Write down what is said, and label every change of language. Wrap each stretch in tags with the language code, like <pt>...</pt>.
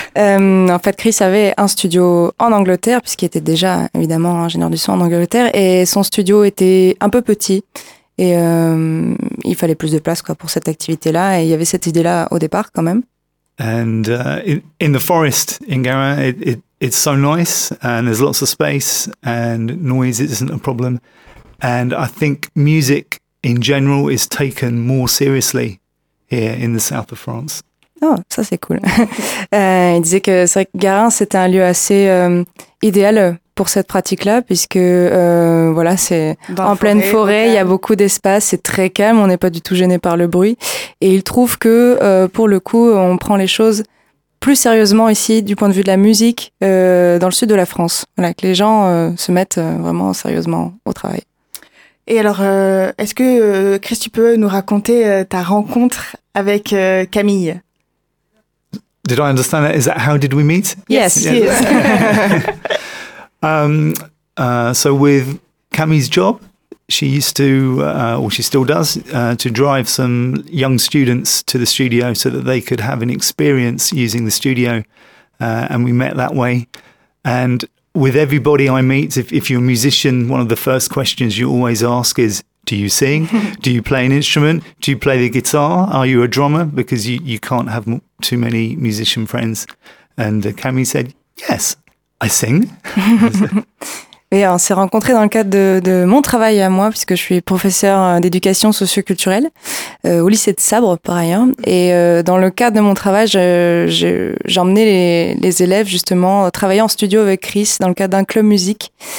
<fr>En fait, Chris avait un studio en Angleterre, puisqu'il était déjà, évidemment, ingénieur du son en Angleterre, et son studio était un peu petit. Et il fallait plus de place quoi pour cette activité là et il y avait cette idée là au départ quand même.</fr> <en>And in the forest in Garin it's so nice and there's lots of space and noise isn't a problem and I think music in general is taken more seriously here in the south of France.</en> <fr>Oh, ça c'est cool. il disait que c'est vrai que Garin c'était un lieu assez idéal pour cette pratique-là, puisque voilà, c'est en pleine forêt, il y a beaucoup d'espace, c'est très calme, on n'est pas du tout gêné par le bruit. Et il trouve que, pour le coup, on prend les choses plus sérieusement ici, du point de vue de la musique, dans le sud de la France. Voilà, que les gens se mettent vraiment sérieusement au travail. Et alors, est-ce que, Chris, tu peux nous raconter ta rencontre avec Camille?</fr> <en>Did I understand that? Is that how did we meet? Yes. Yes. So with Camille's job, she used to, or she still does, to drive some young students to the studio so that they could have an experience using the studio. And we met that way. And with everybody I meet, if you're a musician, one of the first questions you always ask is, do you sing? Do you play an instrument? Do you play the guitar? Are you a drummer? Because you can't have too many musician friends. And Camille said, yes. I sing.</en> <fr>Et on s'est rencontrés dans le cadre de mon travail à moi, puisque je suis professeure d'éducation socioculturelle au lycée de Sabre, par ailleurs. Et dans le cadre de mon travail, j'emmenais les élèves justement travailler en studio avec Chris dans le cadre d'un club musique.</fr>